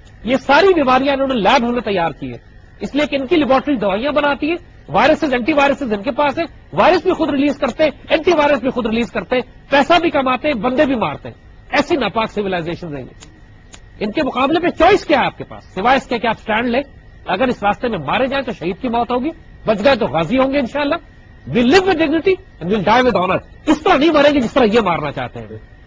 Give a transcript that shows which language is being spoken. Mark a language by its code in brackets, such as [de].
[ur] یہ ساری بیماریاں انہوں نے لیب ہم نے تیار کی ہے, اس لیے کہ ان کی لیبورٹری دوائیاں بناتی ہے, وائرسز اینٹی وائرسز ان کے پاس ہے, وائرس بھی خود ریلیز کرتے ہیں, اینٹی وائرس بھی خود ریلیز کرتے ہیں, پیسہ بھی کماتے ہیں, بندے بھی مارتے ہیں. ایسی ناپاک سویلائزیشن رہیں گے. ان کے مقابلے میں چوائس کیا ہے آپ کے پاس, سوائے اس کے کہ آپ سٹینڈ لیں. اگر اس راستے میں مارے جائیں تو شہید کی موت ہوگی, بچ گئے تو غازی ہوں گے انشاءاللہ. [en] We live with dignity and we die with honour. [ur] اس طرح نہیں مریں گے جس طرح یہ مارنا چاہتے ہیں.